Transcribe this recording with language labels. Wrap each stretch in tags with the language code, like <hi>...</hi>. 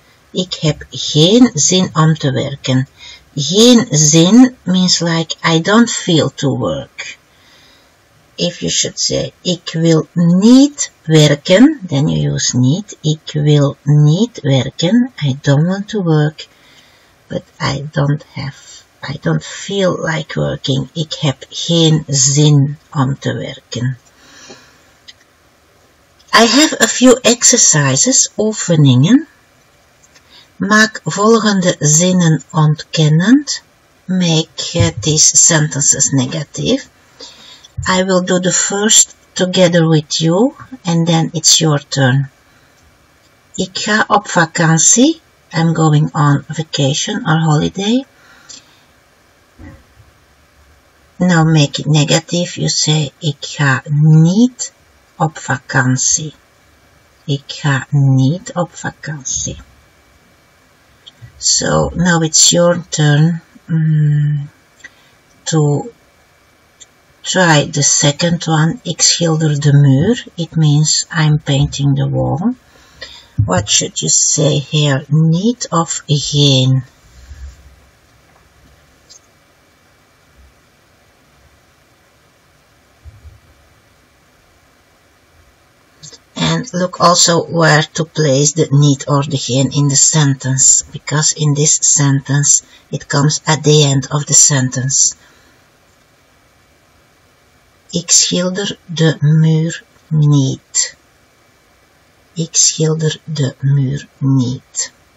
<nl>Ik heb geen zin om te werken. Geen zin</nl> <en>means like I don't feel to work. If you should say</en> <nl>ik wil niet werken,</nl> <en>then you use niet.</en> <nl>Ik wil niet werken.</nl> <en>I don't want to work. But I don't feel like working.</en> <nl>Ik heb geen zin om te werken.</nl> <en>I have a few exercises, oefeningen.</en> <nl>Maak volgende zinnen ontkennend.</nl> <en>Make these sentences negative. I will do the first together with you and then it's your turn.</en> <nl>Ik ga op vakantie.</nl> <en>I'm going on vacation or holiday. Now make it negative. You say</en> <nl>ik ga niet op vakantie. Ik ga niet op vakantie.</nl> <en>So, now it's your turn to try the second one.</en> <nl>Ik schilder de muur.</nl> <en>It means I'm painting the wall. What should you say here? Niet of geen? And look also where to place the niet or the geen in the sentence, because in this sentence it comes at the end of the sentence.</en> <nl>Ik schilder de muur niet. Ik schilder de muur niet.</nl>